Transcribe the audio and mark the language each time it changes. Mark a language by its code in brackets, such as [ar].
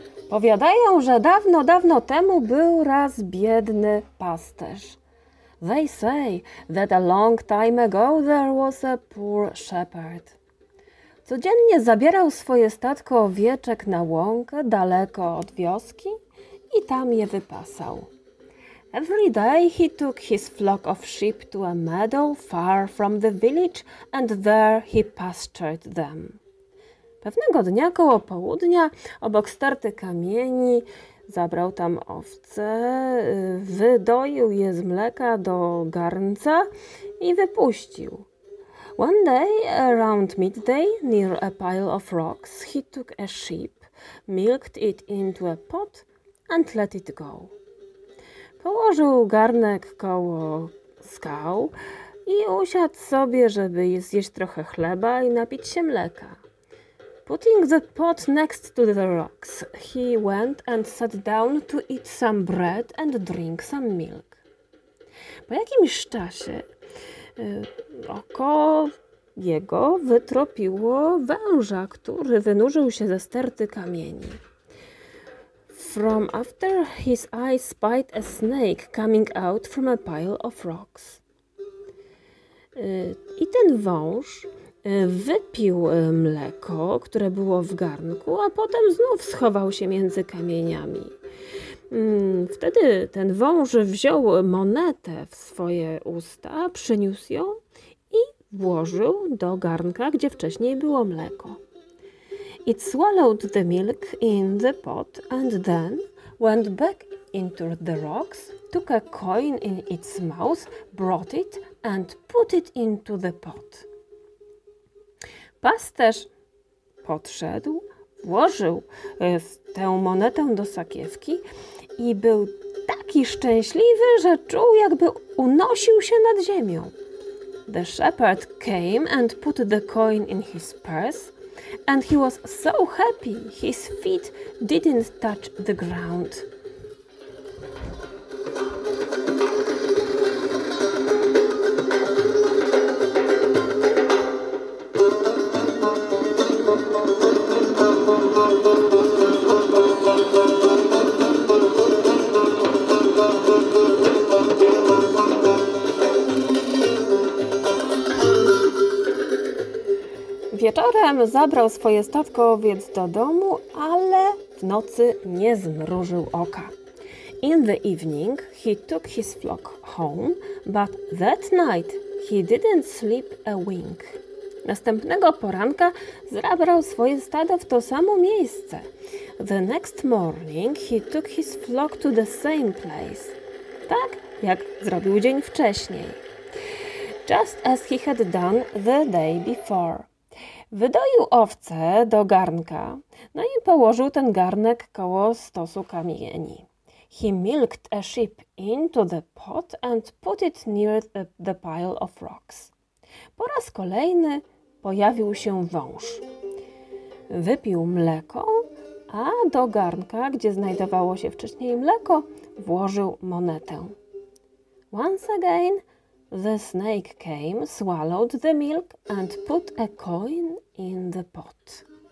[pl] Powiadają, że dawno, dawno temu był raz biedny pasterz. [en] They say that a long time ago there was a poor shepherd. [pl] Codziennie zabierał swoje stadko owieczek na łąkę daleko od wioski i tam je wypasał. [en] Every day he took his flock of sheep to a meadow far from the village and there he pastured them. [pl] Pewnego dnia koło południa obok starty kamieni zabrał tam owce, wydoił je z mleka do garnca i wypuścił. [en] One day around midday near a pile of rocks he took a sheep, milked it into a pot and let it go. [pl] Położył garnek koło skał i usiadł sobie, żeby zjeść trochę chleba i napić się mleka. [en] Putting the pot next to the rocks, he went and sat down to eat some bread and drink some milk. [pl] Po jakimś czasie oko jego wytropiło węża, który wynurzył się ze sterty kamieni. [en] From after his eye spied a snake coming out from a pile of rocks. [pl] I ten wąż wypił mleko, które było w garnku, a potem znów schował się między kamieniami. Wtedy ten wąż wziął monetę w swoje usta, przyniósł ją i włożył do garnka, gdzie wcześniej było mleko. [en] It swallowed the milk in the pot and then went back into the rocks, took a coin in its mouth, brought it and put it into the pot. [pl] Pasterz podszedł, włożył tę monetę do sakiewki i był taki szczęśliwy, że czuł, jakby unosił się nad ziemią. [en] The shepherd came and put the coin in his purse and he was so happy his feet didn't touch the ground. [pl] Wieczorem zabrał swoje stadko owiec do domu, ale w nocy nie zmrużył oka. [en] In the evening he took his flock home, but that night he didn't sleep a wink. [pl] Następnego poranka zabrał swoje stado w to samo miejsce. [en] The next morning he took his flock to the same place. [pl] Tak jak zrobił dzień wcześniej. [en] Just as he had done the day before. [pl] Wydoił owce do garnka, no i położył ten garnek koło stosu kamieni. [en] He milked a sheep into the pot and put it near the pile of rocks. [pl] Po raz kolejny pojawił się wąż. Wypił mleko, a do garnka, gdzie znajdowało się wcześniej mleko, włożył monetę. [en] Once again the snake came, swallowed the milk and put a coin in the pot.